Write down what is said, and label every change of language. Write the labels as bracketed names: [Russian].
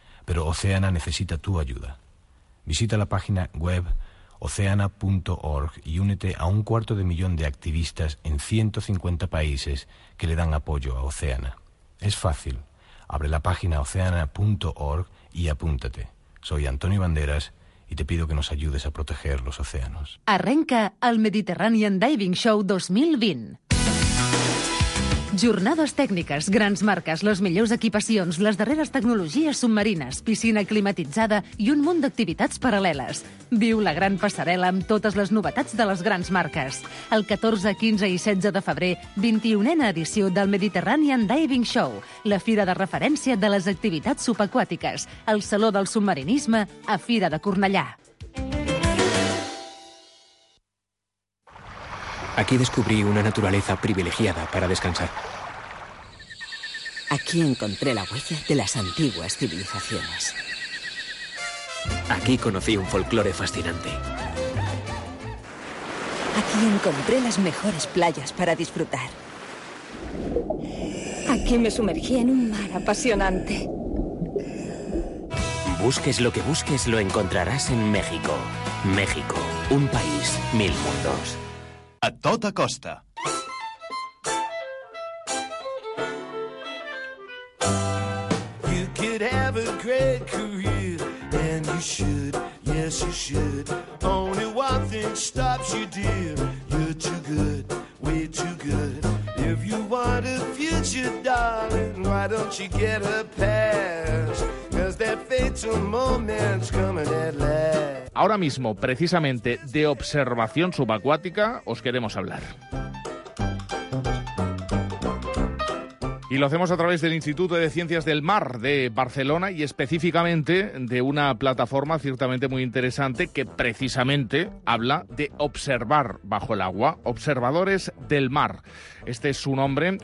[Spanish] Pero Oceana necesita tu ayuda. Visita la página web oceana.org y únete a 250,000 de activistas en 150 países que le dan apoyo a Oceana. Es fácil. Abre la página oceana.org y apúntate. Soy Antonio Banderas y te pido que nos ayudes a proteger los océanos. [Catalan] Arrenca el Mediterranean Diving Show 2020. Jornades tècniques, grans marques, les millors equipacions, les darreres tecnologies submarines, piscina climatitzada i un munt d'activitats paral·leles. Viu la gran passarel·la amb totes les novetats de les grans marques. El 14, 15 i 16 de febrer, 21a edició del Mediterranean Diving Show, la fira de referència de les activitats subaquàtiques, el Saló del Submarinisme a Fira de Cornellà. [Spanish] Aquí descubrí una naturaleza privilegiada para descansar. Aquí encontré la huella de las antiguas civilizaciones. Aquí conocí un folclore fascinante. Aquí encontré las mejores playas para disfrutar. Aquí me sumergí en un mar apasionante. Busques lo que busques, lo encontrarás en México. México, un país, mil mundos. [Catalan] A tota costa. [English] You could have a great career, and you should, yes you should. Only one thing stops you, dear. You're too good, way too good. If you want a future, darling, why don't you get a pass? 'Cause that [Spanish] Ahora mismo, precisamente, de observación subacuática os queremos hablar. Y lo hacemos a través del Instituto de Ciencias del Mar de Barcelona y específicamente de una plataforma ciertamente muy interesante que precisamente habla de observar bajo el agua, Observadores del Mar. Este es su nombre.